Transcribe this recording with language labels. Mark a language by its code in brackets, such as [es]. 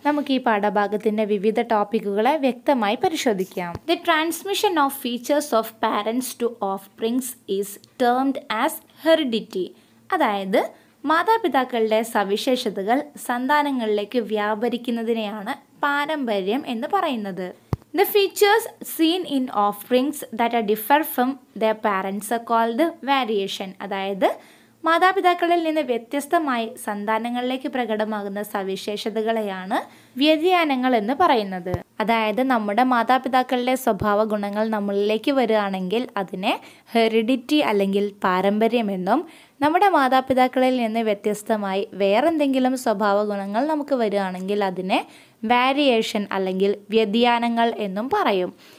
[ml] നമുക്ക് ഈ പാഠഭാഗത്തിൻ്റെ വിവിധ ടോപ്പിക്കുകളെ വ്യക്തമായി പരിശോധിക്കാം. [en] The transmission of features of parents to offsprings is termed as heredity. [ml] അതായത് മാതാപിതാക്കളുടെ സവിശേഷതകൾ സന്താനങ്ങളിലേക്ക് വ്യാപരിക്കുന്നതിനെയാണ് പാരമ്പര്യം എന്ന് പറയുന്നത്. [en] The features seen in offsprings that are differ from their parents are called variation. [ml] അതായത് മാതാപിതാക്കളിൽ നിന്ന് വ്യത്യസ്തമായി സന്താനങ്ങളിലേക്ക് പ്രകടമാകുന്ന സവിശേഷതകളെയാണ് വ്യതിയാനങ്ങൾ എന്ന് പറയുന്നത്. അതായത് നമ്മുടെ മാതാപിതാക്കളുടെ സ്വഭാവ ഗുണങ്ങൾ നമ്മളിലേക്ക് വരികയാണെങ്കിൽ അതിനെ ഹെറിഡിറ്റി അല്ലെങ്കിൽ പാരമ്പര്യമെന്നും, നമ്മുടെ മാതാപിതാക്കളിൽ നിന്ന് വ്യത്യസ്തമായി വേറെന്തെങ്കിലും സ്വഭാവ ഗുണങ്ങൾ നമുക്ക് വരികയാണെങ്കിൽ അതിനെ വേരിയേഷൻ അല്ലെങ്കിൽ വ്യതിയാനങ്ങൾ എന്നും പറയും.